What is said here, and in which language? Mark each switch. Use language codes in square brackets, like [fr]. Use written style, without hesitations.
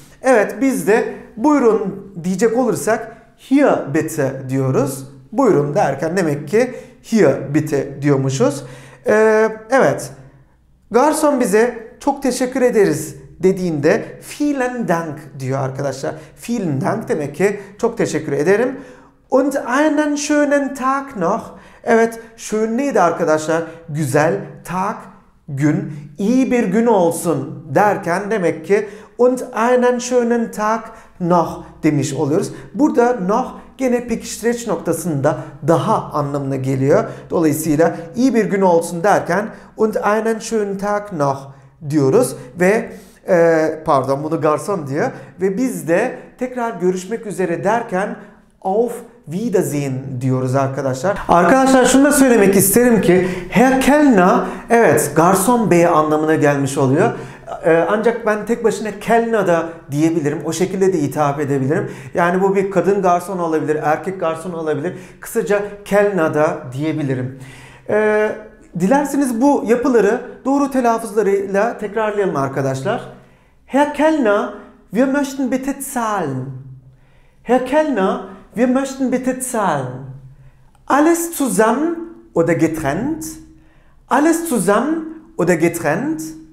[tr] Evet, biz de buyurun diyecek olursak [de] hier bitte [tr] diyoruz. Buyurun derken demek ki [de] hier bitte [tr] diyormuşuz. Evet, garson bize çok teşekkür ederiz dediğinde [de] vielen Dank [tr] diyor arkadaşlar. [de] Vielen Dank [tr] demek ki çok teşekkür ederim. [de] Und einen schönen Tag noch. [tr] Evet, [de] schön [tr] neydi arkadaşlar? Güzel, Tag, gün. İyi bir gün olsun derken demek ki [de] und einen schönen Tag noch [tr] demiş oluyoruz. Burada noch gene pekiştireç noktasında daha anlamına geliyor. Dolayısıyla iyi bir gün olsun derken [de] und einen schönen Tag noch [tr] diyoruz ve pardon, bunu garson diyor ve biz de tekrar görüşmek üzere derken [de] auf Wiedersehen [tr] diyoruz arkadaşlar. Arkadaşlar şunu da söylemek isterim ki [de] Herr Kellner, [tr] evet, garson bey anlamına gelmiş oluyor. Ancak ben tek başına Kellner da diyebilirim. O şekilde de hitap edebilirim. Yani bu bir kadın garson olabilir, erkek garson olabilir. Kısaca Kellner da diyebilirim. Dilerseniz bu yapıları doğru telaffuzlarıyla tekrarlayalım arkadaşlar. [de] Herr Kellner, wir möchten bitte zahlen. Herr Kellner, wir möchten bitte zahlen. Alles zusammen oder getrennt? Alles zusammen oder getrennt?